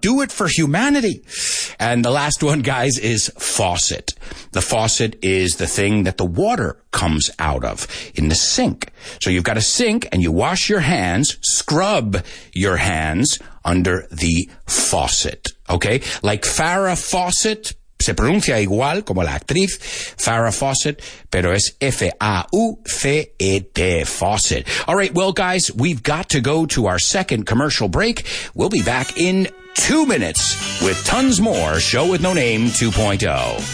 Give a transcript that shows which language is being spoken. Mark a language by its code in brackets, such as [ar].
[en] Do it for humanity. And the last one, guys, is faucet. The faucet is the thing that the water comes out of in the sink. So you've got a sink and you wash your hands, scrub your hands under the faucet. Okay? Like Farrah Fawcett. [es] Se pronuncia igual como la actriz Farrah Fawcett, pero es F-A-U-C-E-T, Fawcett. [en] All right, well, guys, we've got to go to our second commercial break. We'll be back in 2 minutes with tons more Show With No Name 2.0.